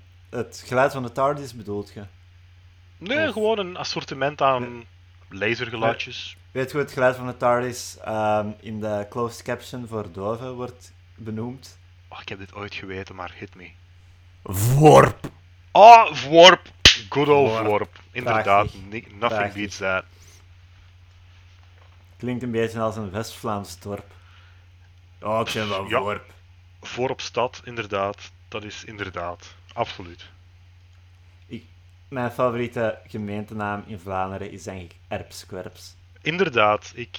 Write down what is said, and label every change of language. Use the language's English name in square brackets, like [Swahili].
[Dutch] Het geluid van de TARDIS bedoelt je? Nee, of... gewoon een assortiment aan lasergeluidjes. Weet je hoe het geluid van de TARDIS in de closed caption voor doven wordt benoemd? Oh, ik heb dit ooit geweten, maar [English] hit me. [Dutch] Worp. [English] Ah, oh, Vorp. Good old Vorp. Inderdaad, nothing beats that. [Dutch] Klinkt een beetje als een West-Vlaams dorp. Oh, ik ben wel Vorp. Vorpstad, inderdaad. Dat is inderdaad. Absoluut. Mijn favoriete gemeentenaam in Vlaanderen is denk ik Erpskwerps. Inderdaad.